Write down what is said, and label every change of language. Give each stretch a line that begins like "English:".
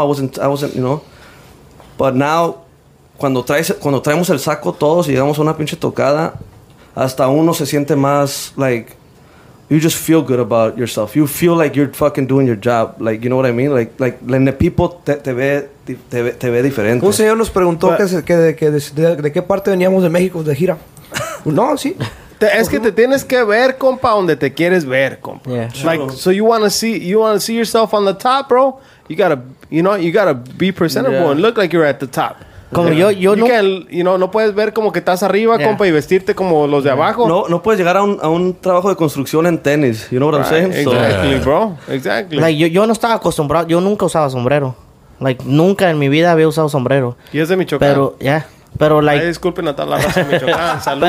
English: I wasn't, you know. But now...
Spanish: Cuando traemos el saco todos y llegamos a una pinche tocada, hasta uno se siente más, like,
English: you just feel good about yourself. You feel like you're fucking doing your job. Like, you know what I mean? Like the people
Spanish: te ve diferente. Un señor nos preguntó de qué parte veníamos de México de gira. No, sí. Es que te tienes que ver, compa, donde te quieres ver, compa.
English: Yeah. Like, so you want to see yourself on the top, bro. You gotta be presentable and look like you're at the top.
Spanish: Como yo you know, no puedes ver como que estás arriba, compa, y vestirte como los de abajo. No puedes llegar a un trabajo de construcción en tenis.
English: You know what I'm saying? Exactly, bro. Exactly.
Spanish: Like, yo no estaba acostumbrado. Yo nunca usaba sombrero. Like, nunca en mi vida había usado sombrero. Y es de Michoacán. Pero, pero, like... Ay, disculpen a toda la raza de Michoacán. Saludos.